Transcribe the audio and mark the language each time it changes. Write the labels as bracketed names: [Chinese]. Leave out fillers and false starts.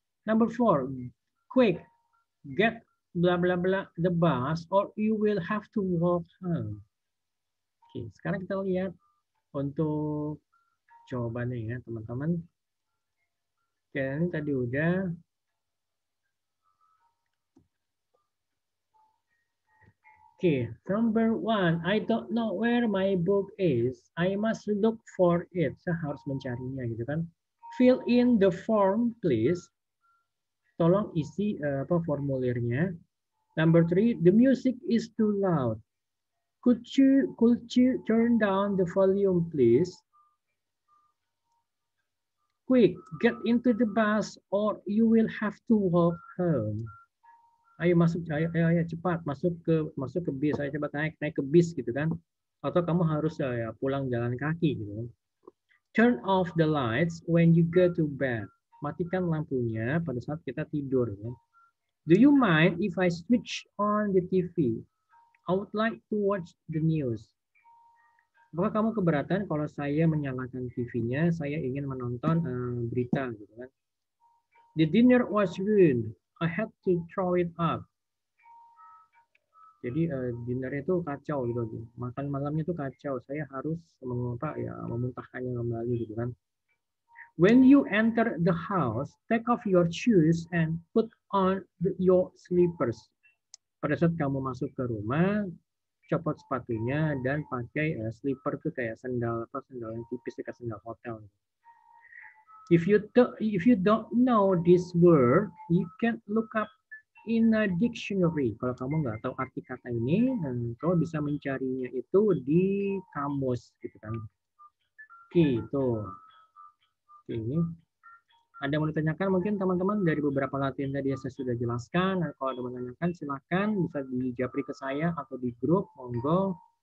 [English] Number four, quick, get blah blah blah the bus or you will have to walk home. [Indonesian] Oke, sekarang kita lihat untuk jawabannya ya teman-teman. Oke, ini tadi udah. [English] Oke, number one, I don't know where my book is. I must look for it. [Indonesian] Saya harus mencarinya gitu kan. [English] Fill in the form, please. [Indonesian] Tolong isi formulirnya. [English] Number three, the music is too loud. Could you turn down the volume, please? Quick, get into the bus or you will have to walk home. [Indonesian] Ayo masuk, ayo cepat masuk ke bus. Ayo cepat naik ke bus gitu kan? Atau kamu harus pulang jalan kaki gitu. [English] Turn off the lights when you go to bed. [Indonesian] Matikan lampunya pada saat kita tidur. [English] Do you mind if I switch on the TV? I would like to watch the news. [Indonesian] Apakah kamu keberatan kalau saya menyalakan TV-nya? Saya ingin menonton berita. Gitu kan. [English] The dinner was ruined. I had to throw it up. [Indonesian] Jadi dinner-nya itu kacau gitu. Makan malamnya itu kacau. Saya harus memuntahkannya kembali gitu kan. [English] When you enter the house, take off your shoes and put on your slippers. [Indonesian] Pada saat kamu masuk ke rumah, copot sepatunya dan pakai slipper itu kayak sendal atau sendal yang tipis kayak sendal hotel. [English] If you don't know this word, you can look up in a dictionary. [Indonesian] Kalau kamu nggak tahu arti kata ini, kamu bisa mencarinya itu di kamus, gitu kan? Gitu. Oke, ada mau ditanyakan mungkin teman-teman dari beberapa latihan tadi yang saya sudah jelaskan. Dan kalau ada mau ditanyakan silakan bisa di japri ke saya atau di grup, monggo.